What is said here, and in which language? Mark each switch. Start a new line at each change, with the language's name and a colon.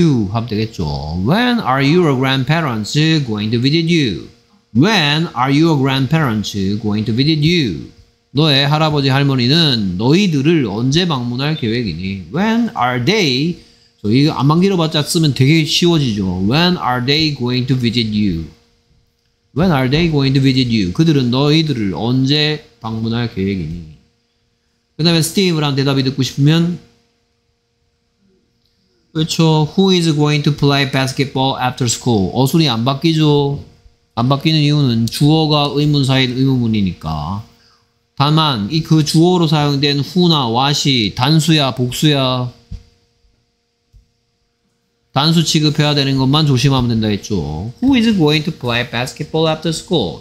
English: When are your grandparents going to visit you? When are your grandparents going to visit you?
Korean: 너의 할아버지 할머니는 너희들을 언제 방문할 계획이니?
English: When are they?
Korean: 저 이거 안만 길어봤자 쓰면 되게 쉬워지죠.
English: When are they going to visit you? When are they going to visit you?
Korean: 그들은 너희들을 언제 방문할 계획이니? 그 다음에 스티브랑 대답이 듣고 싶으면 그렇죠.
English: Who is going to play basketball after school?
Korean: 어순이 안 바뀌죠. 안 바뀌는 이유는 주어가 의문사인 의문문이니까. 다만 이 그 주어로 사용된 who나 what이 단수야 복수야 단수 취급해야 되는 것만 조심하면 된다 했죠.
English: Who is going to play basketball after school?